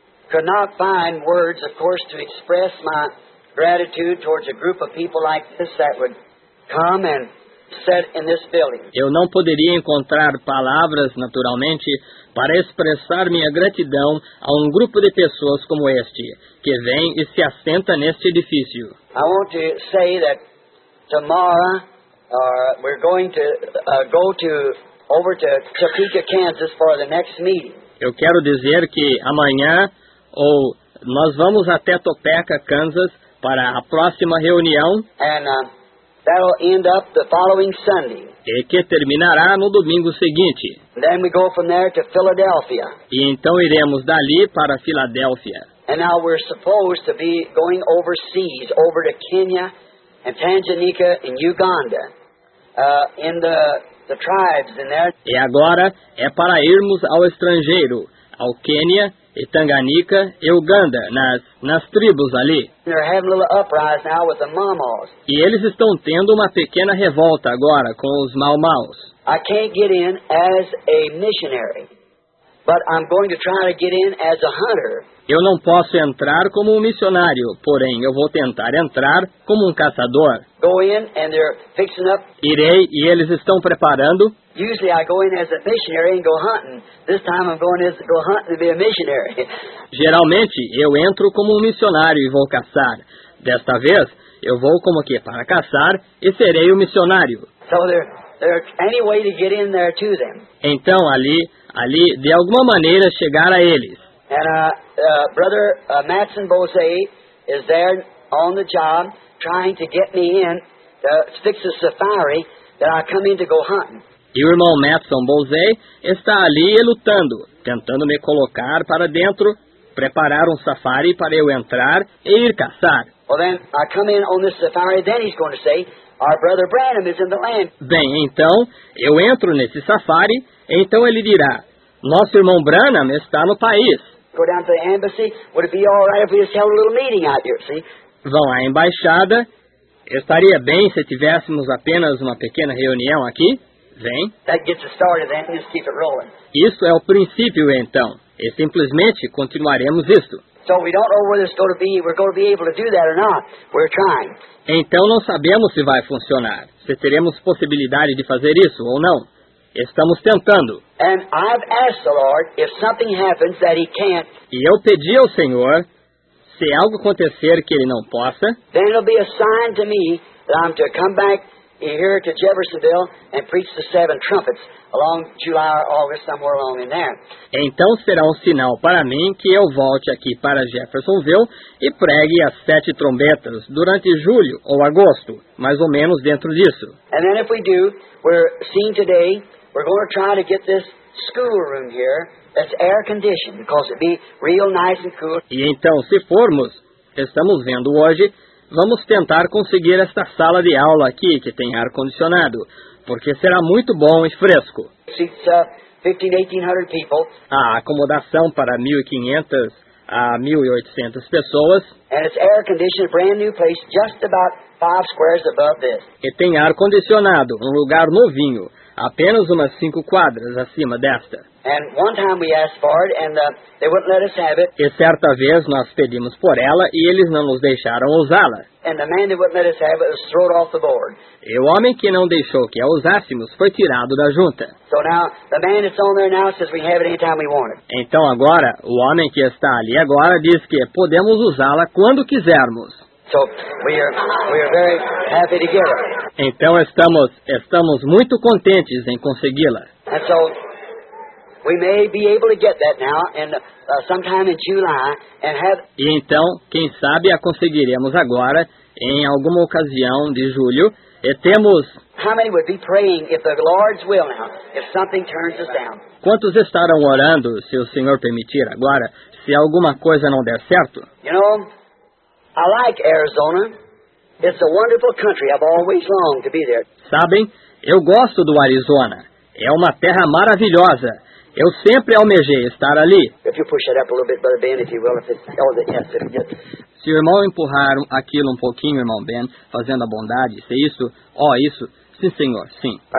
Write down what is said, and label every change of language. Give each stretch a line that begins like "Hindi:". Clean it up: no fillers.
English: Could not find words, of course, to express my gratitude towards a group of people like this that would come and sit in this building.
Portuguese: Eu não poderia encontrar palavras, naturalmente, para expressar minha gratidão a um grupo de pessoas como este, que vem e se assenta neste edifício.
English: I want to say that tomorrow we're going to go over to Topeka, Kansas for the next meeting.
Portuguese: Eu quero dizer que amanhã ou nós vamos até Topeka, Kansas, para a próxima reunião.
English: And that'll end up the following Sunday.
Portuguese: E que terminará no domingo seguinte.
English: And then we go from there to Philadelphia.
Portuguese: E então iremos dali para Filadélfia.
English: And now we're supposed to be going overseas, over to Kenya and Tanganyika and Uganda, in the tribes in there.
Portuguese: E agora é para irmos ao estrangeiro, ao Quênia, e Tanganyika e Uganda, nas tribos ali.
English: They're having a little uprise now with the mamas.
Portuguese: E eles estão tendo uma pequena revolta agora com os mau-maus.
English: I can't get in as a missionary, but I'm going to try to get in as a hunter.
Portuguese: Eu não posso entrar como um missionário, porém eu vou tentar entrar como um caçador.
English: Go in and they're fixing up.
Portuguese: Irei e eles estão preparando.
English: Usually I go in as a missionary and go hunting. This time I'm going to go hunting to be a missionary.
Portuguese: Geralmente eu entro como um missionário e vou caçar. Desta vez eu vou como que para caçar e serei o missionário.
English: So there any way to get in there to them.
Portuguese: Então ali de alguma maneira chegar a eles.
English: And brother Matson Bose is there on the job trying to get me in to fix a safari that I come in to go hunting.
Portuguese: E o irmão Matson Bose está ali lutando, tentando me colocar para dentro, preparar um safari para eu entrar e ir caçar.
English: Well, then I come in on this safari, then he's going to say, our brother Branham is in the land.
Portuguese: Bem, então, eu entro nesse safari, então ele dirá, nosso irmão Branham está no país.
English: Go down to the embassy, would it be all right if we just held a little meeting out here, see?
Portuguese: Vão à embaixada, estaria bem se tivéssemos apenas uma pequena reunião aqui. Vem.
English: That gets us started, then just keep it rolling.
Portuguese: Isso é o princípio, então. E simplesmente continuaremos isto.
English: So we don't know whether it's going to be, we're going to be able to do that or not. We're trying.
Portuguese: Então não sabemos se vai funcionar, se teremos possibilidade de fazer isso ou não. Estamos tentando.
English: And I've asked the Lord if something happens that he can't.
Portuguese: E eu pedi ao Senhor, se algo acontecer que ele não possa,
English: then it'll be a sign to me that I'm to come back here to Jeffersonville and preach the seven trumpets along July or August, somewhere along in there.
Portuguese: Então será um sinal para mim que eu volte aqui para Jeffersonville e pregue as sete trombetas durante julho ou agosto, mais ou menos dentro disso.
English: And then if we do, we're seeing today, we're going to try to get this schoolroom here that's air-conditioned because it'd be real nice and cool.
Portuguese: E então, se formos, estamos vendo hoje, vamos tentar conseguir esta sala de aula aqui que tem ar-condicionado, porque será muito bom e fresco.
English: Seats, 1,800 people.
Portuguese: A acomodação para 1,500 a 1,800 pessoas.
English: And it's air-conditioned, brand new place, just about 5 squares above this.
Portuguese: E tem ar-condicionado, um lugar novinho, apenas umas 5 quadras acima desta.
English: And one time we asked for it, and they wouldn't let us have it.
Portuguese: E certa vez nós pedimos por ela e eles não nos deixaram usá-la.
English: And the man that wouldn't let us have it was thrown off the board.
Portuguese: E o homem que não deixou que a usássemos foi tirado da junta.
English: So now the man that's on there now says we have it anytime we want it.
Portuguese: Então agora o homem que está ali agora diz que podemos usá-la quando quisermos.
English: So we are very happy to get it.
Portuguese: Então estamos muito contentes em consegui-la.
English: And so we may be able to get that now and sometime in July and have.
Portuguese: E então, quem sabe a conseguiremos agora em alguma ocasião de julho e temos.
English: How many would be praying if the Lord's will now, if something turns us down?
Portuguese: Quantos estarão orando se o Senhor permitir agora, se alguma coisa não der certo?
English: You know, I like Arizona. It's a wonderful country. I've always longed to be there.
Portuguese: Sabem, eu gosto do Arizona. É uma terra maravilhosa. Eu sempre almejei estar ali.
English: If you push it up a little bit, Brother Ben, if you will, if it's all the yes, if it's.
Portuguese: Se o irmão empurrar aquilo um pouquinho, irmão Ben, fazendo a bondade, se isso, ó, oh, isso, sim, senhor, sim.